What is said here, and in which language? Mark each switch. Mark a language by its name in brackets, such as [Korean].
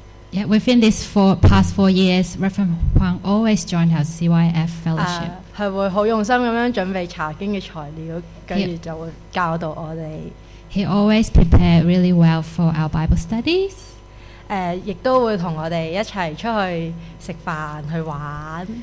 [English] Yeah, within these past four years, Reverend Huang always joined our CYF fellowship. [Cantonese] 佢會好用心咁樣準備查經嘅材料，跟住就會教導我哋。 [English] He always prepared really well for our Bible studies. [Cantonese] 亦都會同我哋一齊出去食飯去玩。